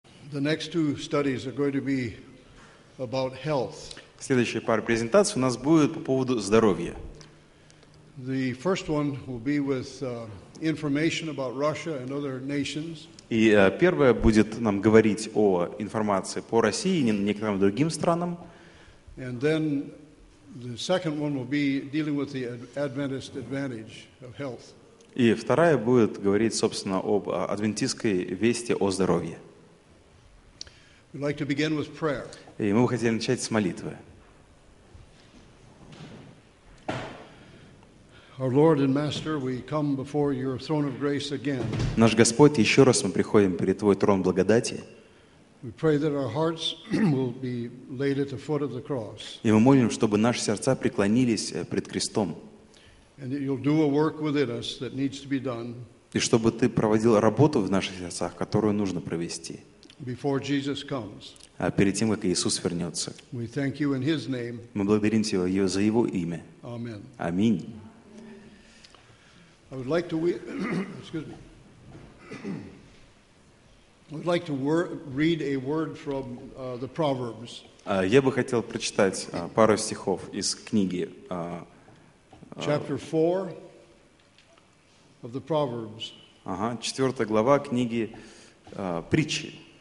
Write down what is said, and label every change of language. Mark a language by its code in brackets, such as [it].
[en] The next two studies are going to be about health. [ru] Следующая пара презентаций у нас будет по поводу здоровья. [en] The first one will be with information about Russia and other nations. [ru] И первое будет нам говорить о информации по России и некоторым другим странам. [en] And then the second one will be dealing with the Adventist advantage of health. [ru] И вторая будет говорить, собственно, об адвентистской вести о здоровье. [en] We'd like to begin with prayer. [ru] И мы бы хотели начать с молитвы. [en] Our Lord and Master, we come before your throne of grace again. [ru] Наш Господь, еще раз мы приходим перед Твой трон благодати. [en] We pray that our hearts will be laid at the foot of the cross. [ru] И мы молим, чтобы наши сердца преклонились пред крестом. [en] And that you'll do a work within us that needs to be done. [ru] И чтобы Ты проводил работу в наших сердцах, которую нужно провести. [en] Before Jesus comes. [ru] А перед тем, как Иисус вернется. [en] We thank you in His name. [ru] Мы благодарим Тебя за Его имя. [en] Amen. [ru] Аминь. [en] I would like to excuse me. I would like to read a word from the Proverbs. [ru] Я бы хотел прочитать пару стихов из книги. [en] Chapter 4 of the Proverbs. [ru] Ага, четвертая глава книги Притчи.